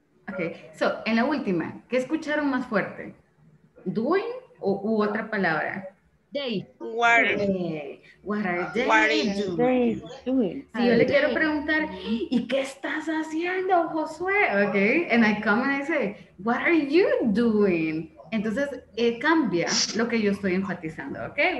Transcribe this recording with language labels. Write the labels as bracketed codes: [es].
[es] Okay, so, en la última, ¿qué escucharon más fuerte? Doing o u otra palabra? [en] They. What are they doing? [es] Si yo le quiero preguntar, ¿y qué estás haciendo, Josué? [en] Okay, and I come and I say, what are you doing? [es] Entonces, cambia lo que yo estoy enfatizando, okay?